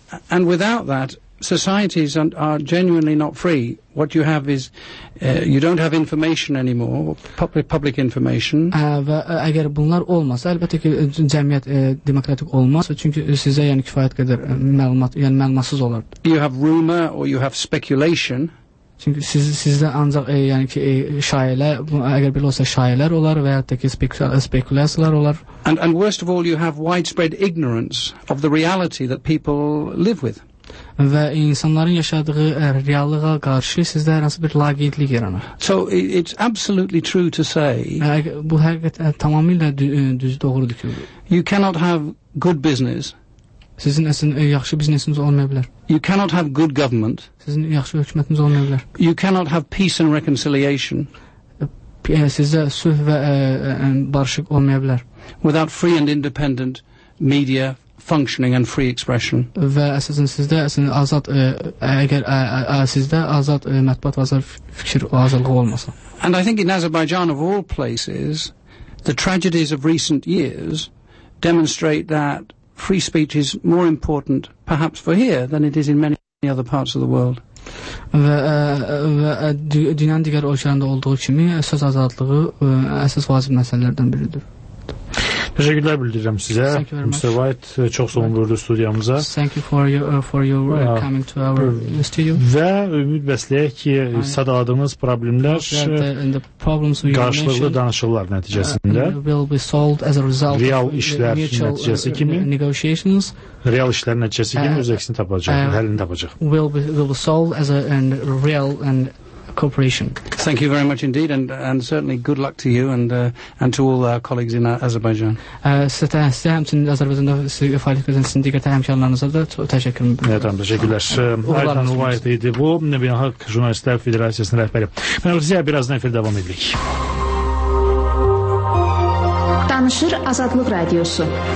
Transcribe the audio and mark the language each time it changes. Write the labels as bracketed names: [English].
[English] And without that, societies are genuinely not free. What you have is you don't have information anymore, public information. [Azerbaijani] Və əgər bunlar olmasa, əlbəttə ki, cəmiyyət demokratik olmaz, çünki sizə yəni kifayət qədər məlumat, yəni məlumatsız olardı. [English] You have rumor or you have speculation. [Azerbaijani] Çünki sizdə ancaq yəni ki, şayələr, əgər belə olsa şayələr olar və ya da ki, spekulyasiyalar olar. [English] And worst of all, you have widespread ignorance of the reality that people live with. [Azerbaijani] Və insanların yaşadığı reallığa qarşı sizdə hər hansı bir laqeydlik yaranır. [English] So it's absolutely true to say. [Azerbaijani] Bu həqiqətən tamamilə düz doğrudur ki. [English] You cannot have good business. [Azerbaijani] Sizin əsən yaxşı biznesiniz olmaya bilər. [English] You cannot have good government. [Azerbaijani] Sizin yaxşı hökumətiniz olmaya bilər. [English] You cannot have peace and reconciliation. [Azerbaijani] Sizdə sülh və barışıq olmaya bilər. [English] Without free and independent media functioning and free expression. [Azerbaijani] Və əsasən sizdə əsasən azad əgər sizdə azad mətbuat və azad fikir azadlığı olmasa. [English] And I think in Azerbaijan of all places the tragedies of recent years demonstrate that free speech is more important perhaps for here than it is in many other parts of the world. [Azerbaijani] Və dünyanın digər ölkələrində olduğu kimi söz azadlığı əsas vacib məsələlərdən biridir. Təşəkkürlər bildirirəm sizə. Mr. White, çox sağ olun buyurdu studiyamıza. [English] Thank you for your coming to our studio. [Azerbaijani] Və ümid bəsləyək ki, sadaladığınız problemlər qarşılıqlı danışıqlar nəticəsində [English] will be solved as a result [Azerbaijani] real işlər nəticəsi kimi [English] negotiations [Azerbaijani] real işlər nəticəsi kimi öz əksini tapacaq, həllini tapacaq. [English] Will be solved as a real and cooperation. Thank you very much indeed, and certainly good luck to you and to all our colleagues in Azerbaijan. [Azerbaijani] Size həmçinin Azərbaycanda sizə fəaliyyətinizin sizin digər təhəmkarlarınıza da çox təşəkkür edirəm. Evet, təşəkkürlər. Aydan Uvayt idi bu, Beynəlxalq Jurnalistlər Federasiyasının rəhbəri. Mən Rüziyə biraz nəfər davam edirik. Danışır Azadlıq Radiosu.